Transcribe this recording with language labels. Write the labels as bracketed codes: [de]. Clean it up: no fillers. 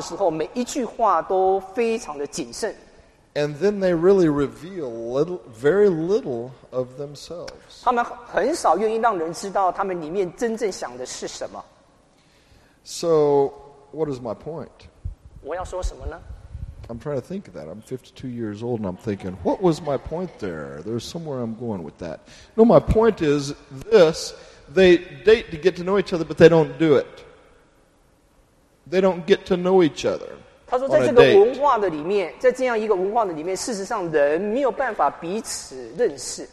[zh] 他们讲话的时候，每一句话都非常的谨慎。 [en] And then they really reveal very little of themselves. [zh] 他们很少愿意让人知道他们里面真正想的是什么。 [en] So, what is my point? [zh] 我要说什么呢？ [en] I'm trying to think of that. I'm 52 years old, and I'm thinking, what was my point there? There's somewhere I'm going with that. No, my point is this. They date to get to know each other, but they don't do it. They don't get to know each other on a date.